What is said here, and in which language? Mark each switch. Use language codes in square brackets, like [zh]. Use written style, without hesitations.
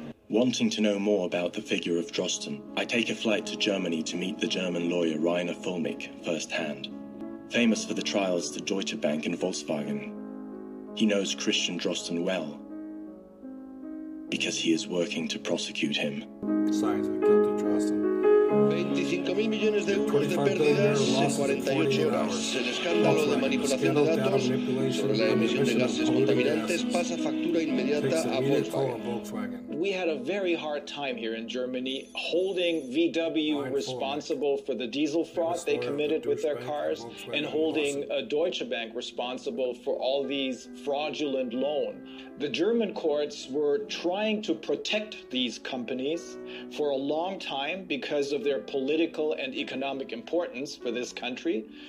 [en] Wanting to know more about the figure of Drosten, I take a flight to Germany to meet the German lawyer Rainer Fulmich firsthand. Famous for the trials to Deutsche Bank and Volkswagen, he knows Christian Drosten well, because he is working to prosecute him. Science of guilt to Drosten. [es] 25 mil millones de euros de pérdidas en 48 horas. El escándalo de manipulación de datos sobre la emisión de gases contaminantes pasa factura inmediata a Volkswagen. [en] We had a very hard time here in Germany holding VW responsible for the diesel fraud they committed with their cars and holding a Deutsche Bank responsible for all these fraudulent loans. The German courts were trying to protect these companies for a long time because of their political and economic importance for this country.